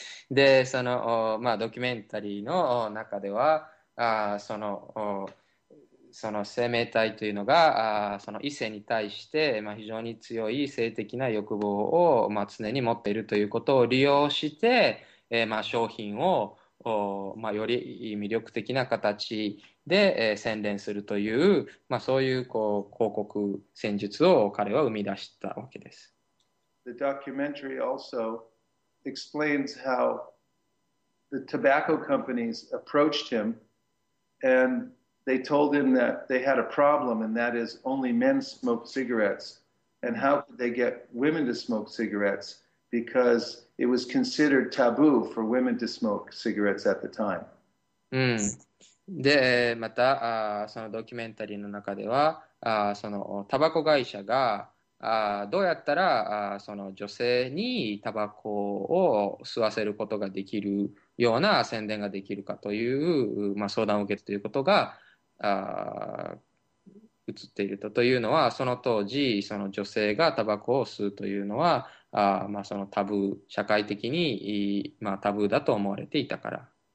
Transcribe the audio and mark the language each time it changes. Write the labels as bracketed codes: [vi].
[ja] で、その、ドキュメンタリーの中では、その生命体というのが、その異性に対して、非常に強い性的な欲望を、常に持っているということを利用して、商品を、より魅力的な形で、洗練するという、そういう、広告戦術を彼は生み出したわけです。 [en] The documentary also explains how the tobacco companies approached him and they told him that they had a problem and that is only men smoke cigarettes and how could they get women to smoke cigarettes because it was considered taboo for women to smoke cigarettes at the time. [ja] で、またそのドキュメンタリーの中ではそのタバコ会社がどうやったらその女性にタバコを吸わせることができるような宣伝ができるかという、相談を受けたということが映っているとというのはその当時その女性がタバコを吸うというのはそのタブー社会的に、タブーだと思われていたから。